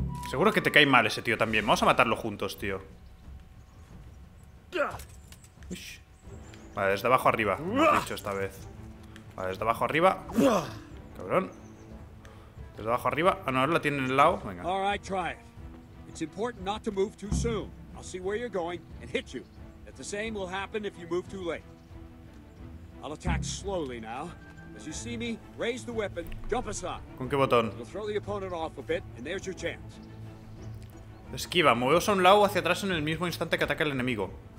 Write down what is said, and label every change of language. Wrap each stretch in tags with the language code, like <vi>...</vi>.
<es>Seguro que te cae mal ese tío también. Vamos a matarlo juntos, tío. Vale, desde abajo arriba, lo he dicho esta vez. Vale, desde abajo arriba. Cabrón. Desde abajo arriba. Ah, no, ahora la tiene en el lado. Venga.</es> <en>All right, try it. It's important not to move too soon. I'll see where you're going and hit you. That the same will happen if you move too late. I'll attack slowly now. As you see me, raise the weapon, jump aside.</en> <es>¿Con qué botón?</es> <en>You'll throw the opponent off a bit, and there's your chance.</en> <es>Esquiva, moveos a un lado o hacia atrás en el mismo instante que ataca el enemigo.</es>